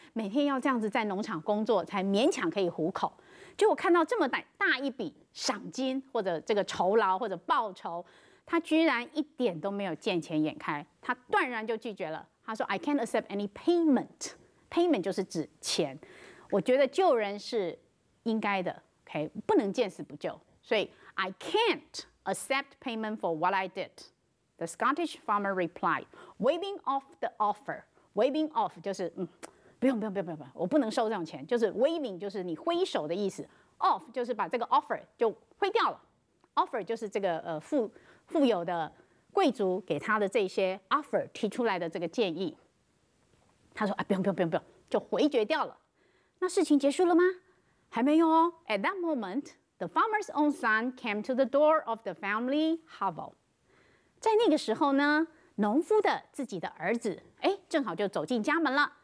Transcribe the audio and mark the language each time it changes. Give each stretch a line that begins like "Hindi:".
Chinese: 每天要这样子在农场工作，才勉强可以糊口。结果看到这么大一笔赏金，或者这个酬劳，或者报酬，他居然一点都没有见钱眼开，他断然就拒绝了。他说
English: ：“I can't accept any payment. Payment
Chinese: 就是指钱。我觉得救人是应该的 ，OK， 不能见死不救。所以
English: I can't accept payment for what I did.” The Scottish farmer replied. Waving off the offer. Waving off
Chinese: 就是不用不用不用不用，我不能收这种钱。就是 waving 就是你挥手的意思。Off 就是把这个 offer 就挥掉了。 Offer 就是这个富有的贵族给他的这些 offer 提出来的这个建议。他说不用不用不用不用，就回绝掉了。那事情结束了吗？还没有哦。
English: At that moment, the farmer's own son came to the door of the family hovel.
Chinese: 在那个时候呢，农夫的自己的儿子，哎，正好就走进家门了。